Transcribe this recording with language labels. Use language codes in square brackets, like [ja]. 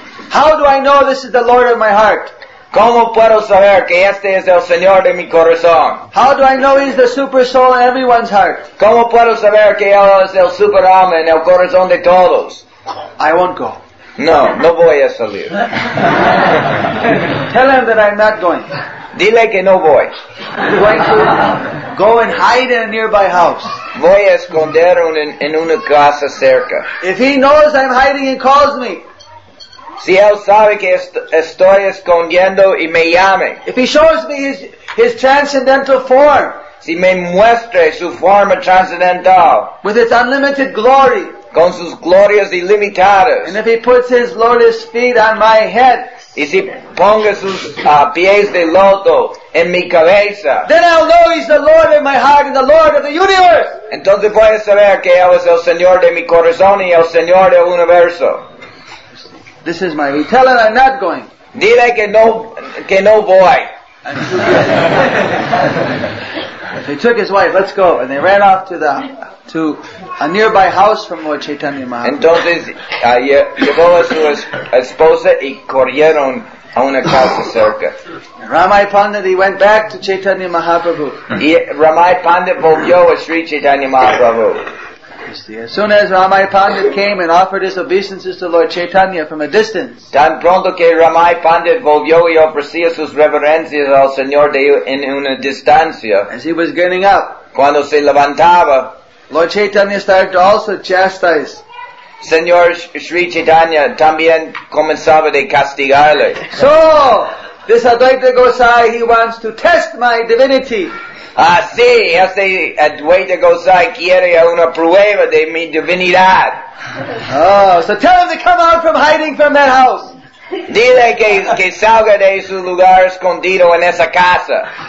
[en] How do I know this is the Lord of my heart? [es] ¿Cómo puedo saber que este es el Señor de mi corazón? [en] How do I know He's the super soul in everyone's heart? [es] ¿Cómo puedo saber que Él es el super alma en el corazón de todos? [en] I won't go. [es] No voy a salir. [en] Tell him that I'm not going. [es] Dile que no voy. [en] I'm going to go and hide in a nearby house. [es] Voy a esconder en una casa cerca. [en] If he knows I'm hiding, he calls me. [es] Si él sabe que estoy escondiendo y me llame. [en] If he shows me his transcendental form. [es] Si me muestre su forma transcendental. [en] With its unlimited glory. [es] Con sus glorias ilimitadas. [en] And if he puts his lotus feet on my head. [es] Y si ponga sus pies de loto en mi cabeza. [en] Then I'll know he's the Lord in my heart and the Lord of the universe. [es] Entonces voy a saber que él es el Señor de mi corazón y el Señor del universo. [en] This is my... Tell him I'm not going. [es] Dile que no voy. [en] They took his wife. Let's go. And they ran off to the to a nearby house from Lord Chaitanya Mahaprabhu. [es] Entonces, llevó a su esposa y corrieron a una casa cerca. [en] Ramai Pandit, he went back to Chaitanya Mahaprabhu. [es] Y Ramai Pandit volvió a Sri Chaitanya Mahaprabhu. [en] As soon as Ramai Pandit came and offered his obeisances to Lord Chaitanya from a distance, [es] tan pronto que Ramai Pandit volvió y ofrecía sus reverencias al Señor de en una distancia, [en] as he was getting up, [es] cuando se levantaba, [en] Lord Chaitanya started to also chastise. [es] Señor Sri Chaitanya también comenzaba de castigarle. [en] So, this Advaita Gosai, he wants to test my divinity. [es] Ah, sí, este Advaita Gosai quiere una prueba de mi divinidad. [en] Oh, so tell him to come out from hiding from that house. [es] Dile que salga de su lugar escondido en esa casa.